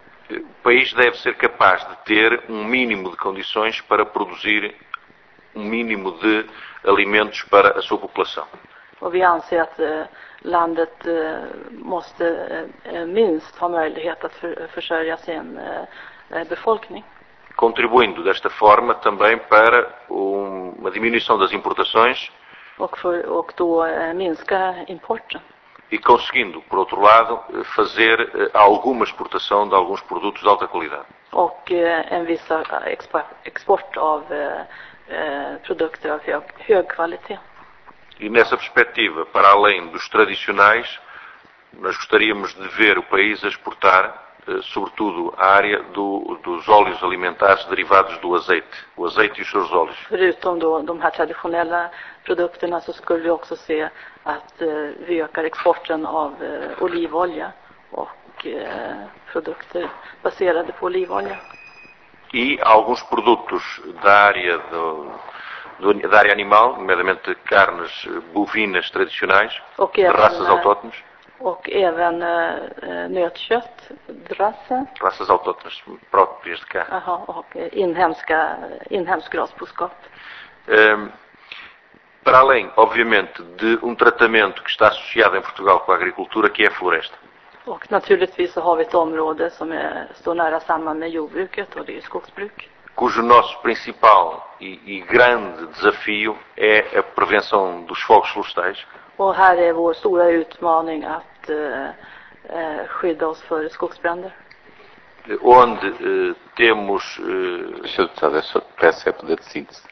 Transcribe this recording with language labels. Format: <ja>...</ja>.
<pt>O país deve ser capaz de ter mínimo de condições para produzir mínimo de alimentos para a sua população.</pt> <sv>Och vi anser att landet måste minst ha möjlighet att försörja sin befolkning.</sv> <pt>Contribuindo desta forma também para uma diminuição das importações</pt> <sv>och då minska importen.</sv> <pt>E conseguindo, por outro lado, fazer alguma exportação de alguns produtos de alta qualidade.</pt> <sv>Och en viss export av produkter av hög kvalitet.</sv> <pt>E nessa perspectiva, para além dos tradicionais, nós gostaríamos de ver o país exportar, sobretudo, a área dos óleos alimentares derivados do azeite. O azeite e os seus óleos.</pt> <sv>Förutom då de här traditionella produkterna så skulle vi också se att vi ökar exporten av olivolja och produkter baserade på olivolja.</sv> <pt>E alguns produtos da área do da área animal, nomeadamente carnes bovinas tradicionais,</pt> <sv>även,</sv> <pt>raças autóctones.</pt> <sv>Och även nötkött, drassen.</sv> <pt>Raças autóctones próprias de cá.</pt> <sv>Och inhemsk grasboskap.</sv> <pt>Para além, obviamente, de tratamento que está associado em Portugal com a agricultura, que é a floresta.</pt> <sv>Och naturligtvis så har vi ett område som står nära samman med jordbruket, och det är skogsbruk.</sv> <pt>Cujo nosso principal e grande desafio é a prevenção dos fogos florestais.</pt> <sv>Och här är vår stora utmaning att skydda oss för skogsbränder.</sv> <pt>Onde temos... Deixa eu te dizer, deixa eu pensar para dizer de síntese.</pt>